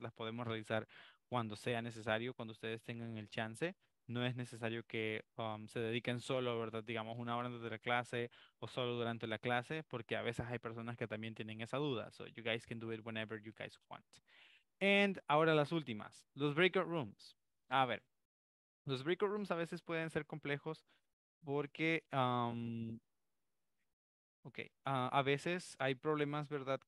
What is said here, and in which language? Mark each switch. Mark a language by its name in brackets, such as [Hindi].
[Spanish] Las podemos realizar cuando sea necesario, cuando ustedes tengan el chance. No es necesario que se dediquen solo, ¿verdad? Digamos, una hora antes de la clase o solo durante la clase, porque a veces hay personas que también tienen esa duda. [English] So you guys can do it whenever you guys want. [Spanish] And ahora las últimas, los breakout rooms. A ver, los breakout rooms a veces pueden ser complejos porque, a veces hay problemas, ¿verdad?